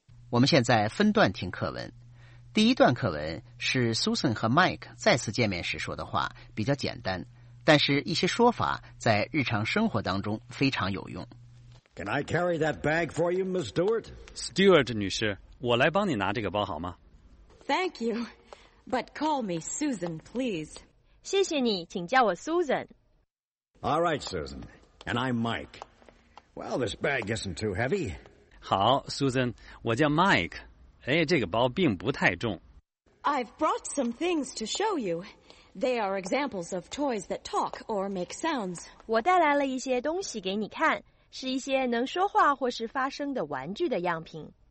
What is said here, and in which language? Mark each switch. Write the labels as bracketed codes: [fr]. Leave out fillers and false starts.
[zh] We're 现在分段听课文。第一段课文是 Susan 和 Mike 再次见面时说的话，比较简单。但是一些说法在日常生活当中非常有用。 [en] Can I carry that bag for you, Miss Stewart? [zh] Stewart 女士，我来帮你拿这个包好吗？ [en] Thank you, but call me Susan, please. [zh] 谢谢你，请叫我 Susan。 [en] All right, Susan. And I'm Mike. Well, this bag isn't too heavy. [zh] 好 ,Susan, 我叫 Mike. 哎，这个包并不太重。 [en] I've brought some things to show you. They are examples of toys that talk or make sounds. [zh] 我带来了一些东西给你看，是一些能说话或是发声的玩具的样品。